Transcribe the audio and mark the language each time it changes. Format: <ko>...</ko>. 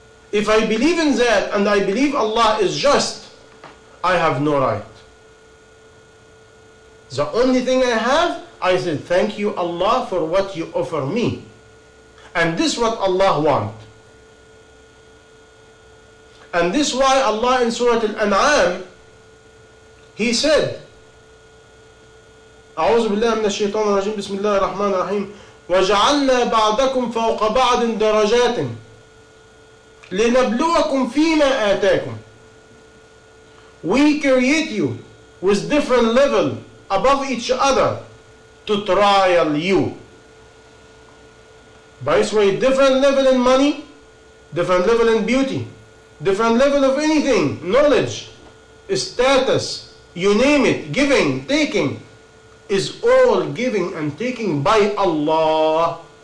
<en>If I believe in that and I believe Allah is just, I have no right. The only thing I have, I said, thank you Allah for what you offer me. And this is what Allah wants. And this is why Allah in Surah Al-An'am, he said,</en> <ar>أعوذ بالله من الشيطان الرجيم بسم الله الرحمن الرحيم وجعلنا بعضكم فوق بعض درجات لنبلوكم فيما آتاكم.</ar> <en>We create you with different level above each other to trial you. By this way, different level in money, different level in beauty, different level of anything, knowledge, status, you name it, giving, taking, is all giving and taking by Allah.</en>